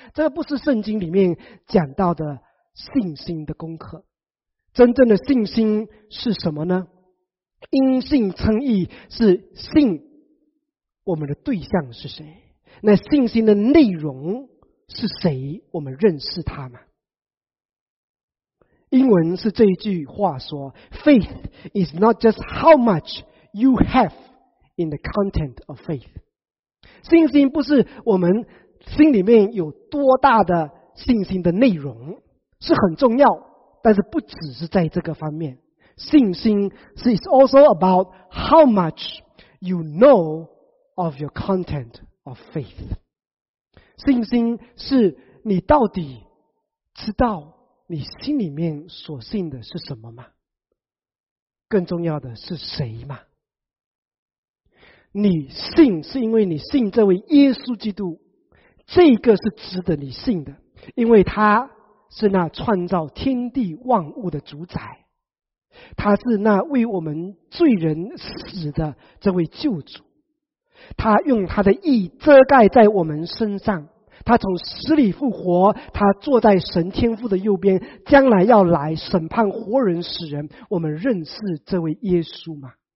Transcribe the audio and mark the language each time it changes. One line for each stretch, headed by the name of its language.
Chinese: 这不是圣经里面讲到的信心的功课。真正的信心是什么呢？因信称义，是信我们的对象是谁，那信心的内容是谁，我们认识他吗？英文是这一句话说
English: Faith is not just how much you have in the content of faith.
Chinese: 信心不是我们心里面有多大的信心的内容，是很重要，但是不只是在这个方面。信心是
English: It's also about how much you know of your content of faith.
Chinese: 信心是你到底知道你心里面所信的是什么吗？更重要的是谁吗？你信是因为你信这位耶稣基督，这个是值得你信的，因为他是那创造天地万物的主宰，他是那为我们罪人死的这位救主，他用他的义遮盖在我们身上，他从死里复活，他坐在神天父的右边，将来要来审判活人死人，我们认识这位耶稣吗？